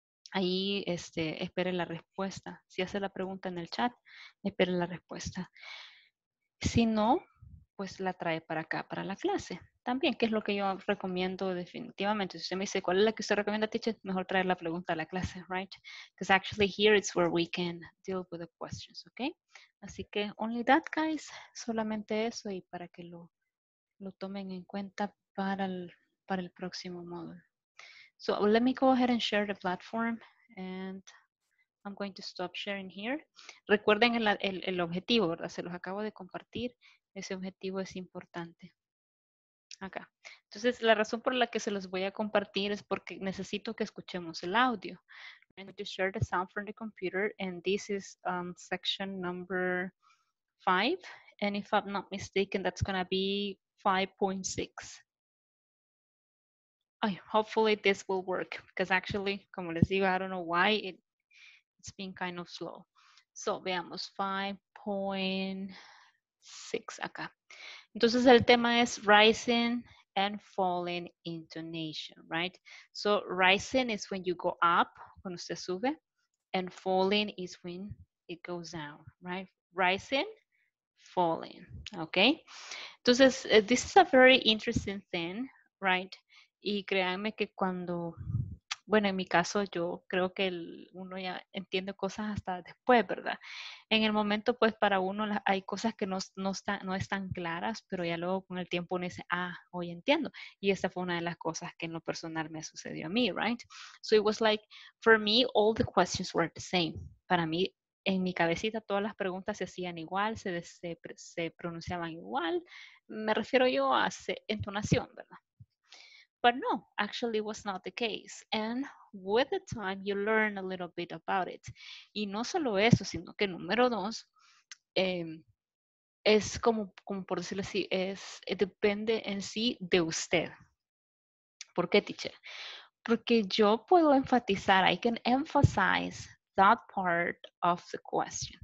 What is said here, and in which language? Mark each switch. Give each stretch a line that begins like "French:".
Spanish: Ahí esperen la respuesta. Si hace la pregunta en el chat, esperen la respuesta. Si no, pues la trae para acá, para la clase. También, que es lo que yo recomiendo definitivamente. Si usted me dice, ¿cuál es la que usted recomienda, teacher? Mejor traer la pregunta a la clase, right?
English: Because actually here it's where we can deal with the questions, okay?
Spanish: Así que,
English: only that, guys.
Spanish: Solamente eso y para que lo tomen en cuenta para el próximo módulo.
English: So, let me go ahead and share the platform. And I'm going to stop sharing here.
Spanish: Recuerden el objetivo, ¿verdad? Se los acabo de compartir. Ese objetivo es importante. Acá. Entonces, la razón por la que se los voy a compartir es porque necesito que escuchemos el audio.
English: I'm going to share the sound from the computer, and this is section number 5. And if I'm not mistaken, that's going to be 5.6. Hopefully, this will work. Because actually,
Spanish: como les digo,
English: I don't know why it's been kind of slow.
Spanish: So, veamos, 5.6 acá. Entonces, el tema es
English: rising and falling intonation, right? So, rising is when you go up,
Spanish: cuando usted sube,
English: and falling is when it goes down, right? Rising, falling, okay? Entonces, this is a very interesting thing, right?
Spanish: Y créanme que cuando, bueno, en mi caso, yo creo que uno ya entiende cosas hasta después, ¿verdad? En el momento, pues, para uno hay cosas que no están claras, pero ya luego con el tiempo uno dice, ah, hoy entiendo. Y esa fue una de las cosas que en lo personal me sucedió a mí,
English: ¿right? So it was like, for me, all the questions were the same.
Spanish: Para mí, en mi cabecita, todas las preguntas se hacían igual, se pronunciaban igual. Me refiero yo a entonación, ¿verdad?
English: But no, actually it was not the case. And with the time, you learn a little bit about it.
Spanish: Y no solo eso, sino que número dos, es como por decirlo así, depende en sí de usted. ¿Por qué, teacher? Porque yo puedo enfatizar,
English: I can emphasize that part of the question.